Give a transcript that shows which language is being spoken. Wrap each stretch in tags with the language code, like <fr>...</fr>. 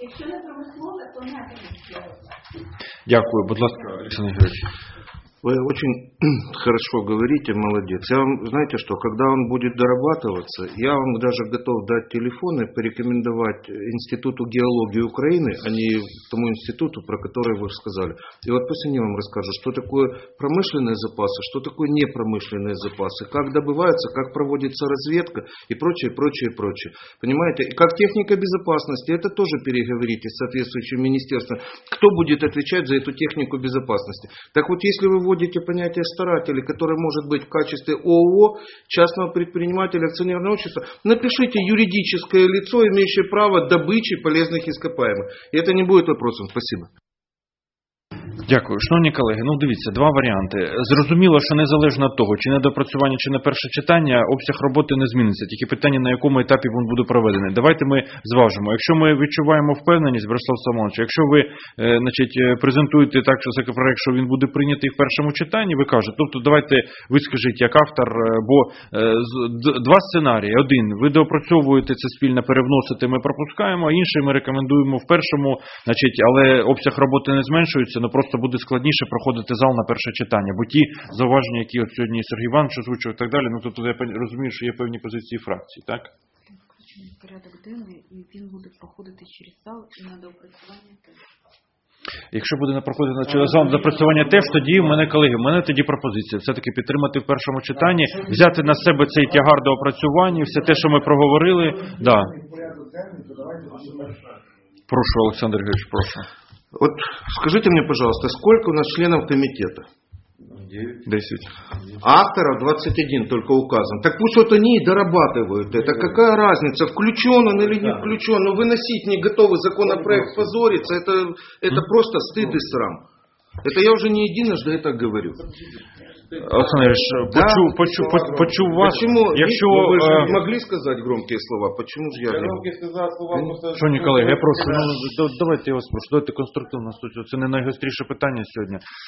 <uk>Якщо не промислове, то не промислове. Дякую. Будь ласка, Олександр Георгійович.</uk> <ru>Вы очень хорошо говорите, молодец. Я вам, знаете что, когда он будет дорабатываться, я вам даже готов дать телефон и порекомендовать Институту геологии Украины, а не тому институту, про который вы сказали. И вот после него вам расскажу, что такое промышленные запасы, что такое непромышленные запасы, как добываются, как проводится разведка и прочее, прочее, прочее. Понимаете? И как техника безопасности, это тоже переговорите с соответствующим министерством. Кто будет отвечать за эту технику безопасности? Так вот, если вы вводите понятие старатели, который может быть в качестве ООО, частного предпринимателя, акционерного общества, напишите юридическое лицо, имеющее право добычи полезных ископаемых. И это не будет вопросом. Спасибо.</ru> <uk>Дякую. Шановні колеги, ну дивіться, два варіанти. Зрозуміло, що незалежно від того, чи на доопрацювання, чи на перше читання, обсяг роботи не зміниться. Тільки питання, на якому етапі він буде проведений. Давайте ми зважимо. Якщо ми відчуваємо впевненість, Борислав Соломонович, якщо ви презентуєте так, що законопроект, що він буде прийнятий в першому читанні, ви кажете, тобто давайте ви скажіть як автор, бо два сценарії. Один, ви доопрацьовуєте це спільно, перевносите, ми пропускаємо, а інший ми рекомендуємо в першому, але обсяг роботи не зменшується. Просто буде складніше проходити зал на перше читання. Бо ті зауваження, які от сьогодні Сергій Іванович озвучив і так далі, ну тут я розумію, що є певні позиції фракції, так? Так, включений порядок денний, і він буде проходити через зал і на доопрацювання теж. Якщо буде проходити через зал на доопрацювання теж, тоді в мене, колеги, в мене тоді пропозиція все-таки підтримати в першому читанні, взяти на себе цей тягар доопрацювання, все те, що ми проговорили. Да. Прошу, Олександр Георгійович, прошу.</uk> <ru>Вот скажите мне, пожалуйста, сколько у нас членов комитета? 9. 10. Авторов 21 только указан. Так пусть вот они и дорабатывают это. Какая разница, включен он или не включен? Но выносить не готовый законопроект позориться, это просто стыд и срам. Это я уже не единожды это говорю.</ru> <uk>Олександрович, почув вас.</uk> <ru>Почему?</ru> <uk>Якщо, ви ж могли сказати громкі слова, почому ж я не громкі сказав слова? Що, Ніколай, я прошу, давайте я вас прошу, давайте конструктивно, це не найгостріше питання сьогодні.</uk>